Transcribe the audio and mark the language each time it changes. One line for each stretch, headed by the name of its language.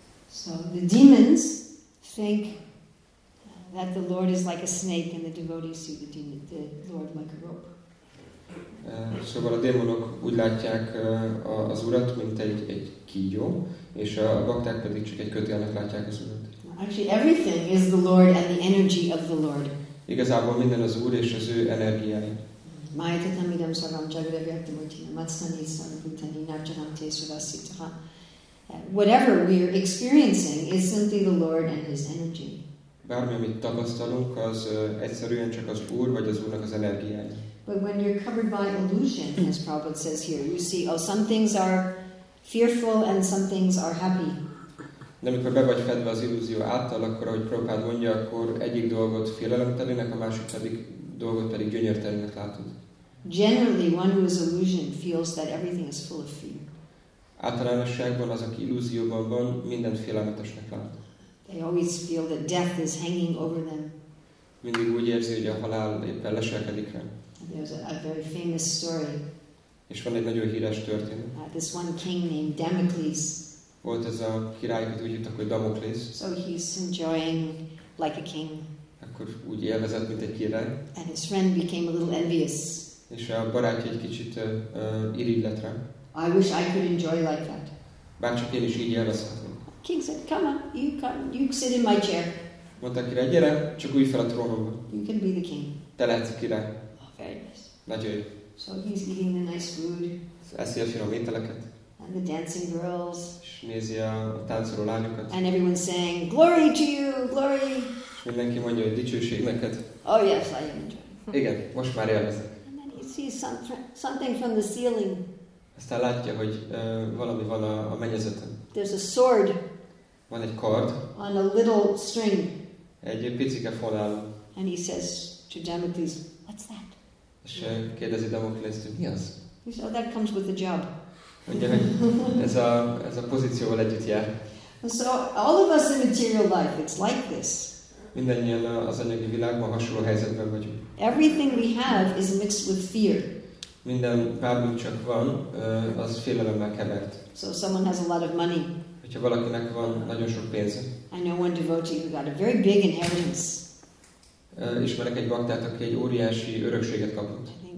English: So the demons think that the Lord is like a snake and the devotees see the Lord like a rope.
Hungarian: Szóval a démonok úgy látják az urat, mint egy kígyó, és a bakták pedig csak egy kötélnek látják az urat.
English: Actually everything is the Lord and the energy of the Lord.
Hungarian: Igazából minden az Úr és az ő energiája.
Sanskrit: Mayatatam idam sarvam jagadavyaktamurtinam atstani sarvabhutani navjagante sarvasitaha.
English: Whatever we are experiencing is simply the Lord and His energy.
Hungarian: Bármi, amit tapasztalunk, az egyszerűen csak az Úr vagy az Úrnak az energiája.
English: But when you're covered by illusion, as Prabhupada says here, you see, oh, some things are fearful and some things are happy.
Hungarian: De amikor be vagy fedve az illúzió által, akkor ahogy Prabhupada mondja, akkor egyik dolgot félelemtelinek, a másik pedig dolgot pedig gyönyörtelinek látod.
English: Generally, one who is illusioned feels that everything is full of fear.
Hungarian: Általánosságban az, aki illúzióban van, minden félelmetesnek lát.
English: They always feel that death is hanging over them.
Hungarian: Mindig úgy érzi, hogy a halál éppen leselkedik rá.
English: There's a very famous story.
Hungarian: És van egy nagyon híres történet.
English: This one king named Damocles.
Hungarian: Volt ez a király, akit úgy hívtak, hogy Damocles.
English: So he's enjoying like a king.
Hungarian: Akkor úgy élvezett, mint egy király.
English: And his friend became a little envious.
Hungarian: És a barátja egy kicsit irigy lett rá.
English: I wish I could enjoy like that.
Hungarian: Bárcsak én is így élvezhetném.
English: King said, come on, you sit in my chair.
Hungarian: Mondta a király, gyere, csak ülj fel a trónomba.
English: You can be the king.
Hungarian: Te lehetsz a király. Nagyon jó.
English: So he's eating the nice food.
Hungarian: Eszi a finom ételeket.
English: And the dancing girls.
Hungarian: És nézi a táncoló lányokat.
English: And everyone's saying, glory to you, glory.
Hungarian: És mindenki mondja, hogy dicsőség neked.
English: Oh yes, I am enjoying.
Hungarian: Igen, most már élvezek.
English: And then he sees something from the ceiling.
Hungarian: Aztán látja, hogy valami van a mennyezeten.
English: There's a sword.
Hungarian: Van egy kard.
English: On a little string.
Hungarian: Egy picike fonál.
English: And he says to Damocles, what's that?
Hungarian: És kérdezi Damoklészt, hogy mi az?
English: He said, oh, that comes with the job.
Hungarian: Mondja, hogy ez a pozícióval együtt jár.
English: So all of us in material life, it's like this.
Hungarian: Mindennyian az anyagi világban hasonló helyzetben vagyunk.
English: Everything we have is mixed with fear.
Hungarian: Minden bármunk csak van, az félelemmel kevert.
English: So someone has a lot of money.
Hungarian: Hogyha valakinek van nagyon sok pénze.
English: I know one devotee who got a very big inheritance.
Hungarian: Ismerek egy baktát, aki egy óriási örökséget kapott.